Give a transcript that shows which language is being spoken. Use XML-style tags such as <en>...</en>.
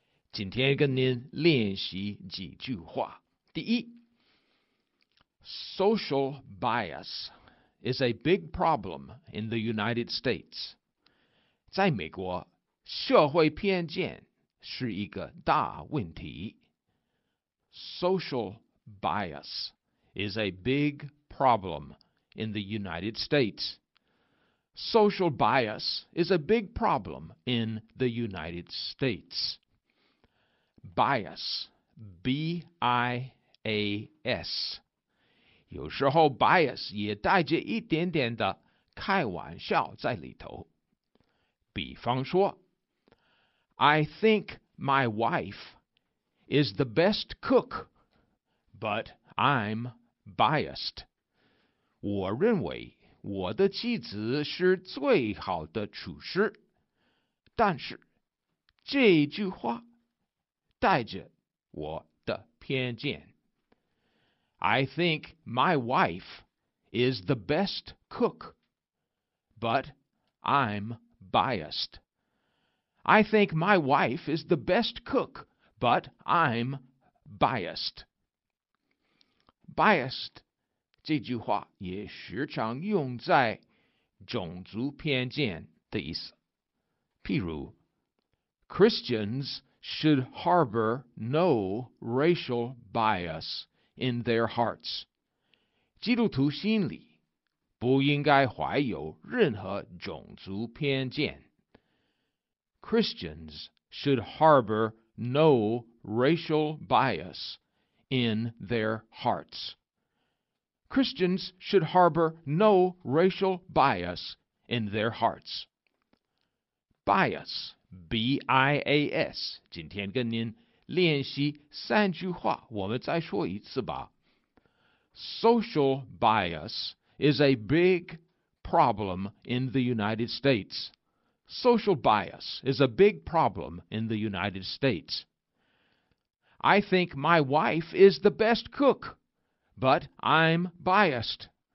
<zh>今天跟您练习几句话。第一，</zh> <en>Social bias is a big problem in the United States。</en> <zh>在美国，社会偏见是一个大问题。</zh> <en>Social bias is a big problem in the United States. Social bias is a big problem in the United States. Bias, B-I-A-S.</en> <zh>有时候 bias 也带着一点点的开玩笑在里头。比方说，</zh> <en>I think my wife is the best cook, but I'm biased.</en> <zh>我认为我的妻子是最好的厨师，但是这句话带着我的偏见。</zh> <en>I think my wife is the best cook, but I'm biased. Biased. I think my wife is the best cook, but I'm biased.</en> <zh>Biased 这句话也时常用在种族偏见的意思。譬如，</zh> <en>Christians should harbor no racial bias in their hearts.</en> <zh>基督徒心里不应该怀有任何种族偏见。</zh> <en>Christians should harbor no racial bias in their hearts. Christians should harbor no racial bias in their hearts. Bias, B-I-A-S.</en> <zh>今天跟您练习三句话，我们再说一次吧。</zh> <en>Social bias is a big problem in the United States. Social bias is a big problem in the United States. I think my wife is the best cook, but I'm biased.</en>